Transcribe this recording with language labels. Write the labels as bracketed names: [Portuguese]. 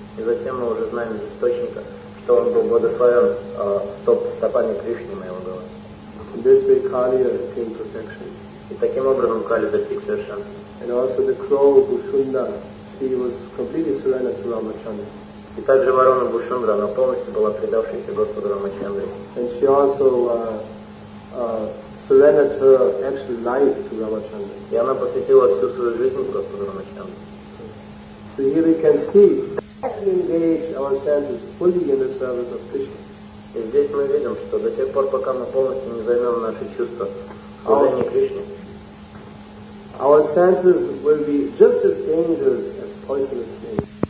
[Russian] И затем мы уже знаем из источника, что он был благословен стопами Кришны на его голове. [English] This way Kaliya attained perfection. [Russian] И таким образом Кали достиг совершенства. [English] And also the crow Bhushunda, she was completely surrendered to Ramachandra. [Russian] И также ворона Бушундра, она полностью была предавшейся Господу Рамачандре. [English] And she also surrendered her actual life to Ramachandra. [Russian] И она посвятила всю свою жизнь Господу Рамачандре. [English] So here we can see that we engage our senses fully in the service of Krishna. [Russian] И здесь мы видим, что до тех пор, пока мы полностью не займем наши чувства служение Кришне, [English] our senses will be just as dangerous as poisonous snakes.